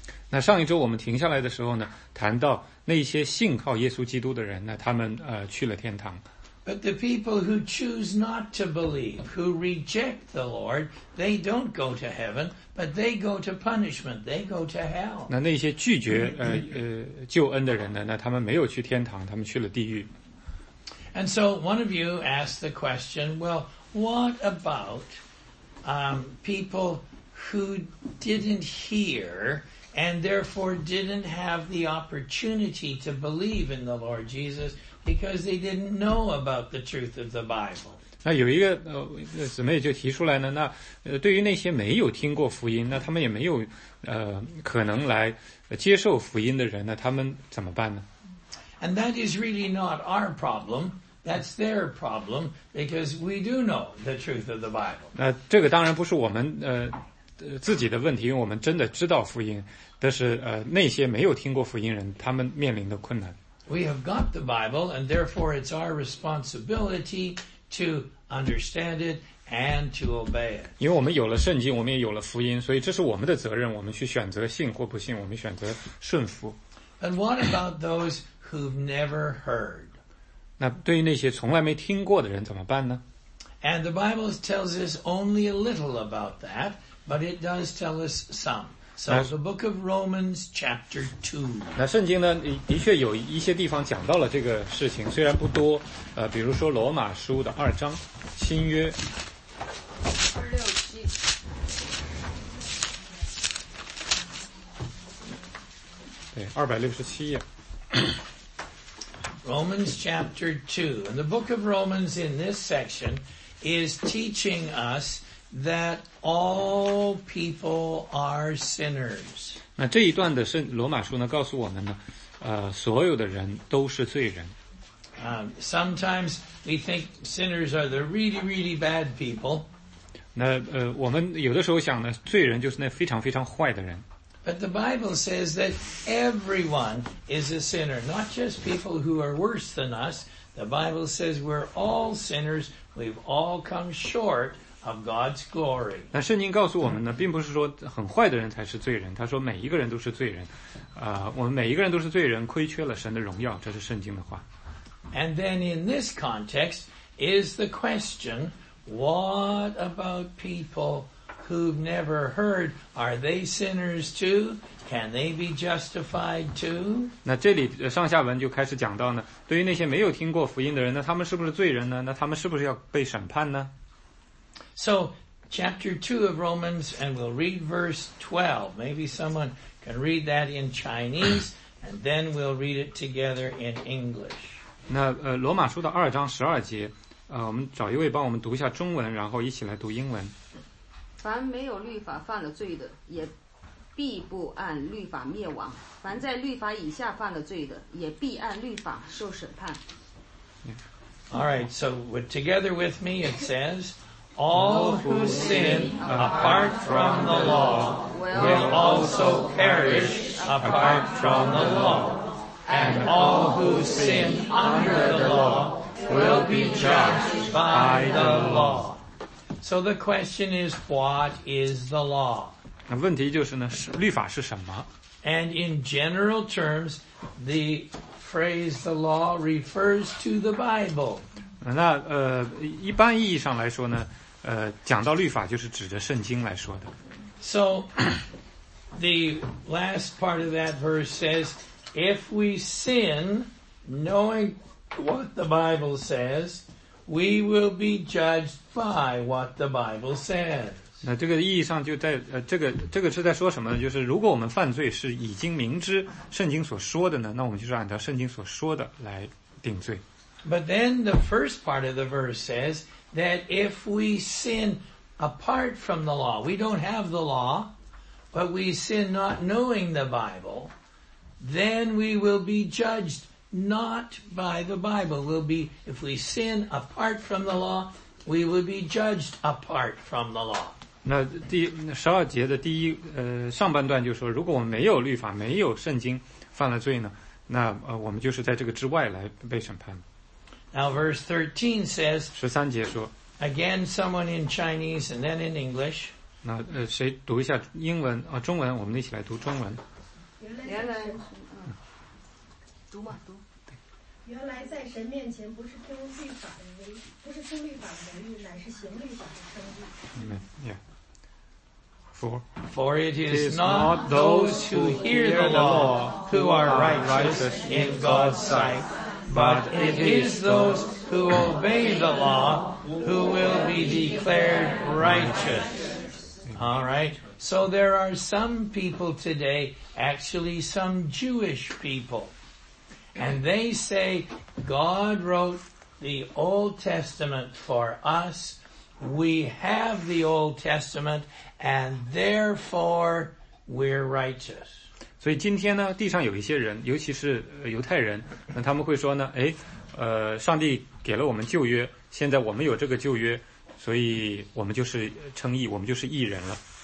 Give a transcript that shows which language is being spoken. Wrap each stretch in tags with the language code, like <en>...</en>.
<zh>那上一周我们停下来的时候呢，谈到那些信靠耶稣基督的人呢，他们去了天堂。</zh> <en>But the people who choose not to believe, who reject the Lord, they don't go to heaven, but they go to punishment, they go to hell.</en> <zh>那些拒绝救恩的人呢，那他们没有去天堂，他们去了地狱。</zh> <en>And so one of you asked the question, well, what about people who didn't hear and therefore didn't have the opportunity to believe in the Lord Jesus because they didn't know about the truth of the Bible.</en> <zh>那有一个姊妹就提出来呢，那对于那些没有听过福音，那他们也没有可能来接受福音的人呢，他们怎么办呢？</zh> <en>And that is really not our problem. That's their problem because we do know the truth of the Bible.</en> <zh>那这个当然不是我们自己的问题，因为我们真的知道福音，但是那些没有听过福音人，他们面临的困难。</zh> <en>We have got the Bible, and therefore it's our responsibility to understand it and to obey it.</en> <zh>因为我们有了圣经，我们也有了福音，所以这是我们的责任，我们去选择信或不信，我们选择顺服。</zh> <en>And what about those who've never heard?</en> <zh>那对于那些从来没听过的人怎么办呢？</zh> <en>And the Bible tells us only a little about that. But it does tell us some. So the book of Romans chapter 2.</en> <zh>那圣经呢的确有一些地方讲到了这个事情，虽然不多，比如说罗马书的二章，新约。对，267页。</zh> <en>Romans chapter 2. And the book of Romans in this section is teaching us that all people are sinners.</en> <zh>那这一段的圣罗马书呢告诉我们呢所有的人都是罪人。</zh> <en>Sometimes we think sinners are the really, really bad people.</en> <zh>那我们有的时候想呢罪人就是那非常非常坏的人。</zh> <en>But the Bible says that everyone is a sinner, not just people who are worse than us. The Bible says we're all sinners, we've all come short of God's glory.</en> <zh>那圣经告诉我们呢，并不是说很坏的人才是罪人，他说每一个人都是罪人，我们每一个人都是罪人，亏缺了神的荣耀，这是圣经的话。</zh> <en>And then in this context is the question, what about people who've never heard? Are they sinners too? Can they be justified too?</en> <zh>那这里上下文就开始讲到呢，对于那些没有听过福音的人，那他们是不是罪人呢？那他们是不是要被审判呢？</zh> <en>So, chapter 2 of Romans, and we'll read verse 12. Maybe someone can read that in Chinese, and then we'll read it together in English.</en> <zh>那罗马书的二章十二节，我们找一位帮我们读一下中文，然后一起来读英文。凡没有律法犯了罪的，也必不按律法灭亡；凡在律法以下犯了罪的，也必按律法受审判。</zh> <en>All right, so together with me, it says, all who sin apart from the law will also perish apart from the law. And all who sin under the law will be judged by the law. So the question is, what is the law?</en> <zh>那问题就是呢，律法是什么？</zh> <en>And in general terms, the phrase the law refers to the Bible.</en> <zh>那一般意义上来说呢，讲到律法就是指着圣经来说的。</zh> <en>So, the last part of that verse says, if we sin, knowing what the Bible says, we will be judged by what the Bible says.</en> <zh>那这个意义上就在这个是在说什么呢？就是如果我们犯罪是已经明知圣经所说的呢，那我们就是按照圣经所说的来定罪。</zh> <en>But then the first part of the verse says that if we sin apart from the law, we don't have the law, but we sin not knowing the Bible, then we will be judged not by the Bible. We'll be, if we sin apart from the law, we will be judged apart from the law.</en> <zh>那第十二节的第一上半段就说，如果我们没有律法，没有圣经，犯了罪呢，那我们就是在这个之外来被审判。</zh> <en>Now verse 13 says,</en> <zh>13节说,</zh> <en>again someone in Chinese and then in English.</en> <zh>那谁读一下英文啊，中文，我们一起来读中文。原来，读嘛，读。原来在神面前不是听律法的为，不是听律法的为义，乃是行律法的称义。</zh> <en>Amen. Yeah. For, for it is not those who hear the law who are righteous in God's sight, but it is those who obey the law who will be declared righteous. All right. So there are some people today, actually some Jewish people,And they say, God wrote the Old Testament for us. We have the Old Testament, and therefore we're righteous.</en> <zh>所以今天呢，地上有一些人，尤其是犹太人，那他们会说呢，哎，上帝给了我们旧约，现在我们有这个旧约，所以我们就是称义，我们就是义人了。</zh>